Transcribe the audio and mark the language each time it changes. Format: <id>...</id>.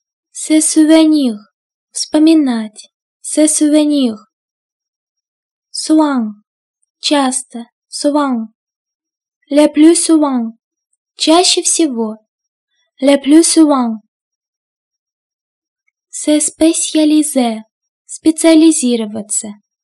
<fr>Se souvenir,</fr> <ru>вспоминать.</ru> <fr>Se souvenir. Souvent,</fr> <ru>часто.</ru> <fr>Souvent. Le plus souvent,</fr> <ru>чаще всего.</ru> <fr>Le plus souvent. Se spécialiser,</fr> <ru>специализироваться.</ru>